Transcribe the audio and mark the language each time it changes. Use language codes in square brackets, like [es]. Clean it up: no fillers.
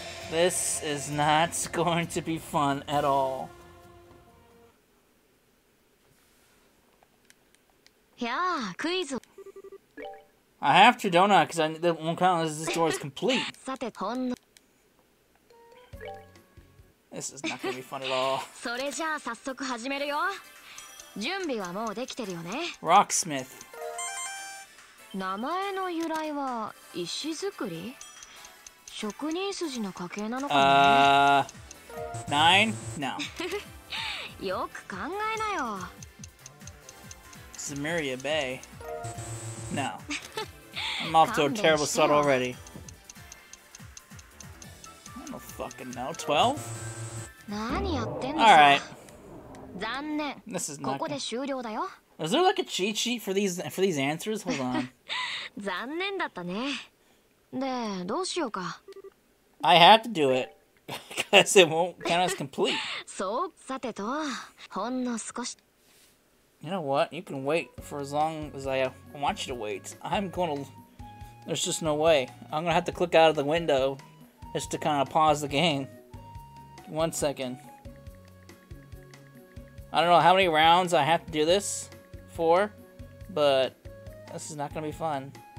[en] This is not going to be fun at all. Yeah, quiz. I have to, don't I? Because I won't count as this door is complete. This is not going to be fun at all. [ja] それじゃあ早速始めるよ。準備はもうできてるよね。 [en] Rocksmith. [ja] 名前の由来は石造り？職人筋の家系なのか [en] な。Nine? No. [ja] よく考えなよ。 [en] Samaria Bay? No. I'm off to a terrible start already. I don't fucking know. 12? [ja] 何やってんの。 [en] Alright. [ja] 残念。 [en] This is [ja] ここで終了だよ。 [en] Is there like a cheat sheet for these answers? Hold on. [ja] 残念だったね。で、どうしようか。 [en] I have to do it, because it won't count as complete. [ja] そう、さてと、ほんの少し。 [en] You know what? You can wait for as long as I want you to wait. I'm going to... There's just no way. I'm going to have to click out of the window just to kind of pause the game. One second. I don't know how many rounds I have to do this for, but this is not going to be fun.